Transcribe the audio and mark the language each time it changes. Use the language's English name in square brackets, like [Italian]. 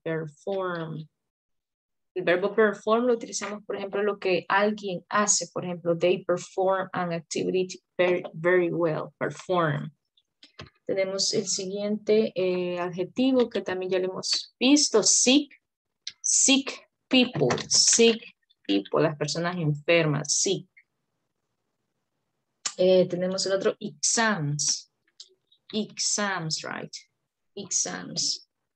[Spanish] El verbo perform lo utilizamos, por ejemplo, lo que alguien hace. Por ejemplo, [English] they perform an activity very well. Perform. [Spanish] Tenemos el siguiente adjetivo que también ya lo hemos visto. [English] Sick. Sick people. Sick people. [Spanish] Las personas enfermas. Sick. Tenemos el otro. [English] Exams. Exams, right? Exams.